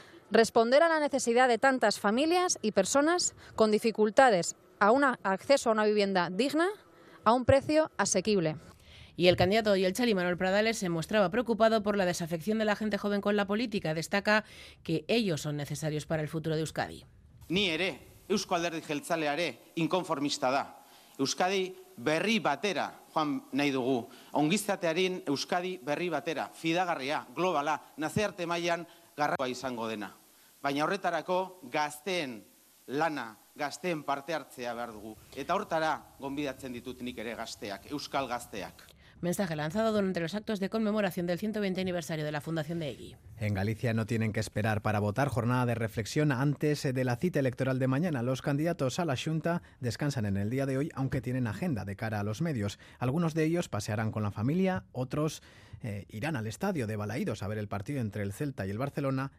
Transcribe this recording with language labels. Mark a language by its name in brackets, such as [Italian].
[Spanish] Responder a la necesidad de tantas familias y personas con dificultades a un acceso a una vivienda digna a un precio asequible. Y el candidato y el Chali Manuel Pradales se mostraba preocupado por la desafección de la gente joven con la política. Destaca que ellos son necesarios para el futuro de Euskadi. [Basque] Ni ere, Eusko Alderdi Jeltzaleare inkonformista da. Euskadi berri batera, joan nahi dugu. Ongizatearen Euskadi berri batera, fidagarria, globala, nazearte mailan, garrakoa izango dena. Baina horretarako gazteen lana, gazteen parte hartzea behar dugu. Eta hortara gonbidatzen ditut nik ere gazteak, euskal gazteak. [Spanish] Mensaje lanzado durante los actos de conmemoración del 120 aniversario de la Fundación de EGI. En Galicia no tienen que esperar para votar. Jornada de reflexión antes de la cita electoral de mañana. Los candidatos a la Xunta descansan en el día de hoy, aunque tienen agenda de cara a los medios. Algunos de ellos pasearán con la familia, otros irán al estadio de Balaídos a ver el partido entre el Celta y el Barcelona.